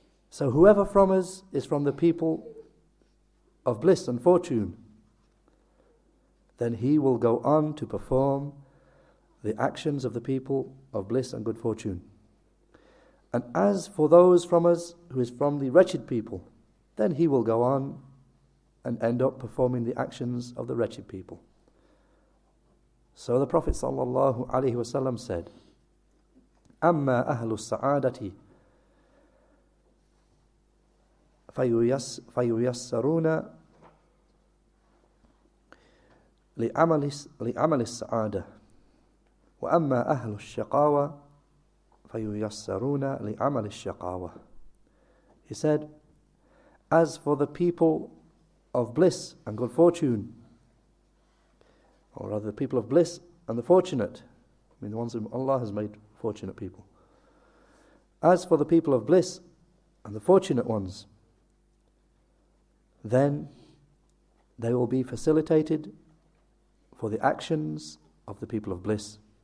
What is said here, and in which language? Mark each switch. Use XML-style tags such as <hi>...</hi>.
<en>So whoever from us is from the people of bliss and fortune, then he will go on to perform the actions of the people of bliss and good fortune. And as for those from us who is from the wretched people, then he will go on and end up performing the actions of the wretched people. So the Prophet sallallahu alaihi wasallam said,</en> <ar>أما أهل السعادة فييسرون لعمل السعادة، وأما أهل الشقاوة فييسرون لعمل الشقاوة.</ar> <en>He said, as for the people of bliss and good fortune, or rather the people of bliss and the fortunate, I mean the ones whom Allah has made fortunate people. As for the people of bliss and the fortunate ones, then they will be facilitated for the actions of the people of bliss.</en>